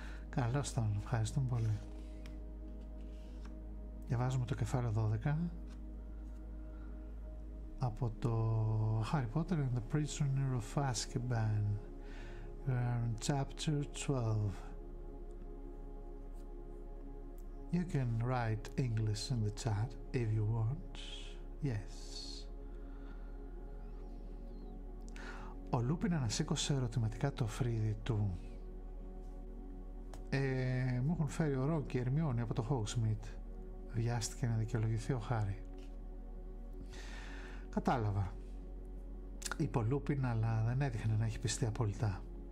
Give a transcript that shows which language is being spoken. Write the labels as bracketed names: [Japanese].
[Greek] Καλώς τον, ευχαριστούμε πολύ. Διαβάζουμε το κεφάλαιο 12 από το Harry Potter and the Prisoner of Azkaban. [English] Chapter 12. You can write English in the chat if you want. Yes. [Greek] Ο Λούπιν ανασήκωσε ερωτηματικά το φρύδι του. Μου έχουν φέρει ο Ρόκ και η Ερμιόνη από το Hogsmeade, βιάστηκε να δικαιολογηθεί ο Χάρη. Κατάλαβα, είπε ο Λούπιν, αλλά δεν έδειχνε να έχει πιστεί απόλυτα.